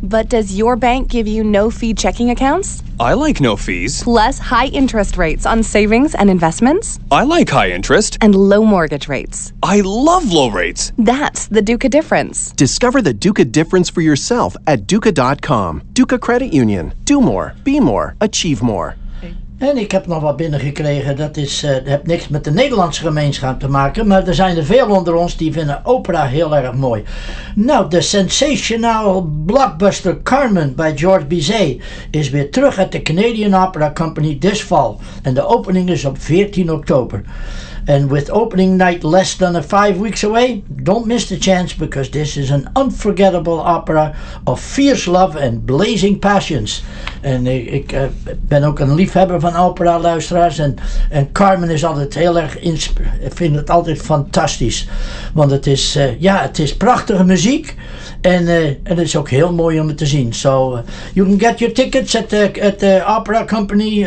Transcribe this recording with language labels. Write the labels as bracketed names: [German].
[English] But does your bank give you no-fee checking accounts? I like no fees. Plus high interest rates on savings and investments? I like high interest. And low mortgage rates. I love low rates. That's the Duca difference. Discover the Duca difference for yourself at Duca.com. Duca Credit Union. Do more. Be more. Achieve more. [Dutch] En ik heb nog wat binnengekregen, dat is, heeft niks met de Nederlandse gemeenschap te maken, maar er zijn er veel onder ons die vinden opera heel erg mooi. Nou, de sensationele blockbuster Carmen bij George Bizet is weer terug uit de Canadian Opera Company [English] this fall. [Dutch] En de opening is op 14 oktober. [English] And with opening night less than 5 weeks away, don't miss the chance because this is an unforgettable opera of fierce love and blazing passions. [Dutch] En ik ben ook een liefhebber van opera, luisteraars. En Carmen is altijd heel erg, vind het altijd fantastisch. Want het is, ja, het is prachtige muziek. En het is ook heel mooi om het te zien. [English] So, you can get your tickets at the Opera Company.